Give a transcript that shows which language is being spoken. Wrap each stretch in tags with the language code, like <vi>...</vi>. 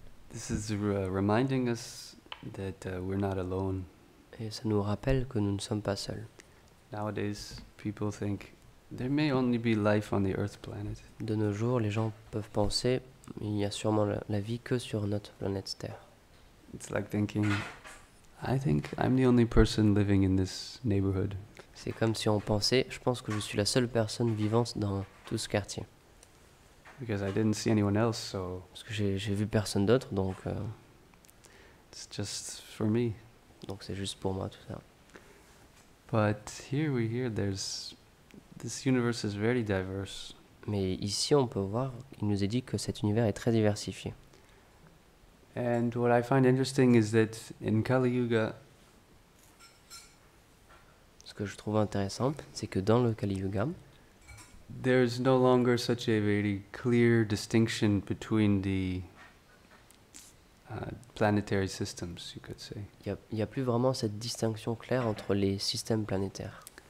<en>This is reminding us that we're not alone.</en> <fr>Et ça nous rappelle que nous ne sommes pas seuls.</fr> <en>Nowadays, people think there may only be life on the Earth planet.</en> <fr>De nos jours, les gens peuvent penser il y a sûrement la vie que sur notre planète Terre.</fr> <en>It's like thinking, I think I'm the only person living in this neighborhood.</en> <fr>C'est comme si on pensait, je pense que je suis la seule personne vivante dans tout ce quartier.</fr> <en>Because I didn't see anyone else, so.</en> <fr>Parce que j'ai vu personne d'autre, donc.</fr> <en>It's just for me.</en> <fr>Donc c'est juste pour moi tout ça.</fr> <en>But here we hear there's this universe is very diverse.</en> <fr>Mais ici on peut voir, il nous est dit que cet univers est très diversifié.</fr> <en>And what I find interesting is that in Kali Yuga.</en> <fr>Ce que je trouve intéressant, c'est que dans le Kali Yuga.</fr> <en>There is no longer such a very clear distinction between the planetary systems, you could say.</en> <fr>Il y a plus vraiment cette distinction claire entre les systèmes planétaires.</fr>